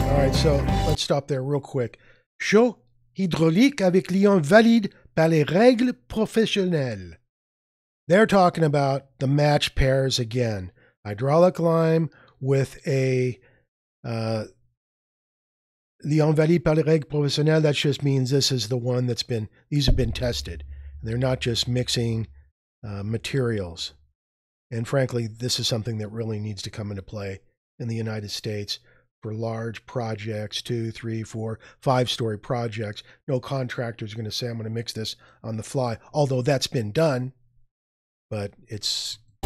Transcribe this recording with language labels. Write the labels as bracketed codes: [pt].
[en] So let's stop there real quick. [fr] Chaux hydraulique avec liant valide par les règles professionnelles. [en] They're talking about the match pairs again. Hydraulic lime with a [fr] liant valide par les règles professionnelles. [en] That just means this is the one that's been, these have been tested. They're not just mixing materials. And frankly, this is something that really needs to come into play in the United States. For large projects, 2, 3, 4, 5-story projects, no contractor is going to say, I'm going to mix this on the fly, although that's been done, but it's...